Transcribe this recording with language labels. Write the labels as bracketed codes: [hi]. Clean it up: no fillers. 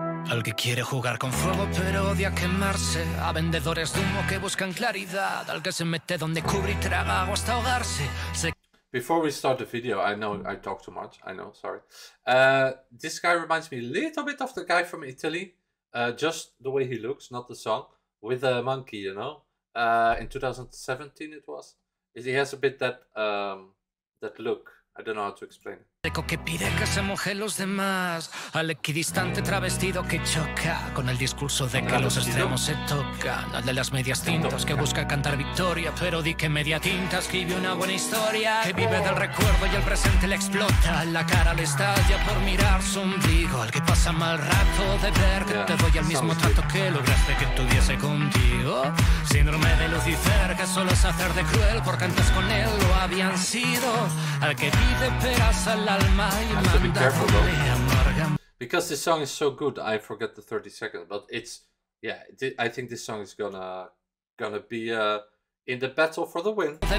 [es] Al que quiere jugar con fuego pero odia quemarse, a vendedores de humo que buscan claridad, al que se mete donde cubre y traga agua hasta ahogarse. [en] Before we start the video, I know I talk too much, I know, sorry. This guy reminds me a little bit of the guy from Italy, just the way he looks, not the song, with a monkey, you know, in 2017 it was. He has a bit that look, I don't know how to explain it. [es] Que pide que se mojen los demás al equidistante travestido que choca con el discurso de que los extremos se tocan al de las medias tintas que busca cantar victoria pero di que media tinta escribe una buena historia que vive del recuerdo y el presente le explota la cara le estalla por mirar su ombligo al que pasa mal rato de ver que te doy el mismo trato que lograste que tuviese contigo síndrome de Lucifer que solo es hacer de cruel porque antes con él lo habían sido al que pide peras al. [en] I have to be careful though, because this song is so good. I forget the 30 seconds, but it's, yeah, I think this song is gonna be in the battle for the win.